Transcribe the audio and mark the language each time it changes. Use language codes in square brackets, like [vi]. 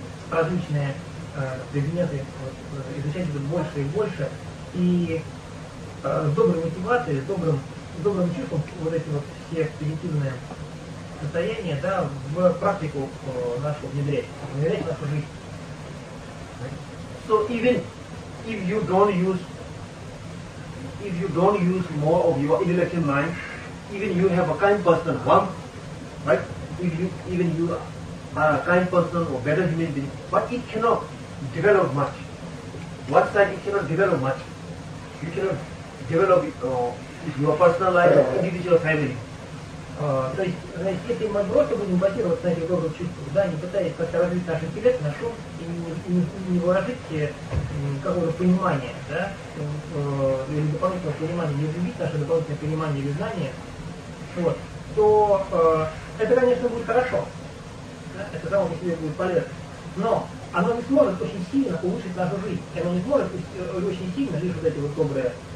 [ru] различные предметы, изучать их больше и больше, и с доброй мотивацией, с добрым чувством вот эти вот все позитивные состояния, да, в практику нашу внедрять в нашу жизнь. [en] So even if you don't use more of your intellectual mind, even you have a kind person, one, right? Even you are a kind person or better human being, but it cannot develop much. What side it cannot develop much? You cannot develop your personal life, individual family. [ru] То есть, если мы просто будем базироваться на этих добрых чувствах, да, не пытаясь как-то развить наш интеллект, наш ум, и не выразить какое-то понимание, да, или дополнительное понимание, не развить наше дополнительное понимание или знание, вот, то это, конечно, будет хорошо, да, это само по себе будет полезно, но оно не сможет очень сильно улучшить нашу жизнь, и оно не сможет очень сильно лишь вот эти вот добрые...